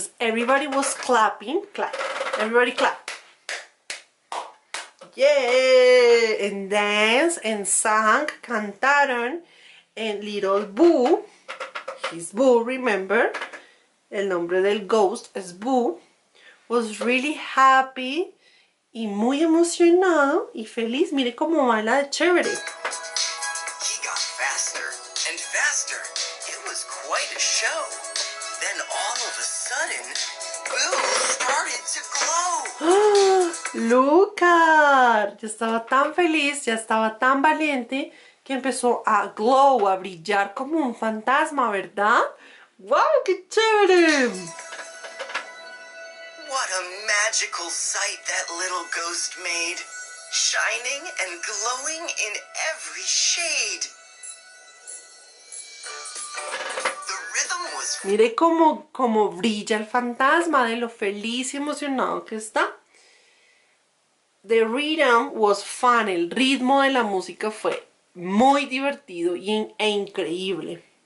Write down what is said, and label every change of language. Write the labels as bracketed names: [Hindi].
[English] Entonces, everybody was clapping, clap, everybody clap, yeah, and dance and sang, cantaron, and little Boo, he's Boo, remember, el nombre del ghost es Boo, was really happy. [Spanish] Y muy emocionado y feliz, mire cómo va la de chévere. [English] He got faster and faster. It was quite a show. Then all of a sudden, Boo started to glow. [Spanish] Lucar, ya estaba tan feliz, ya estaba tan valiente que empezó a glow, a brillar como un fantasma, ¿verdad? ¡Wow, qué chévere! [English] What a magical sight that little ghost made, shining and glowing in every shade. The rhythm was... [Spanish] Mire cómo brilla el fantasma de lo feliz y emocionado que está. The rhythm was fun. El ritmo de la música fue muy divertido e increíble.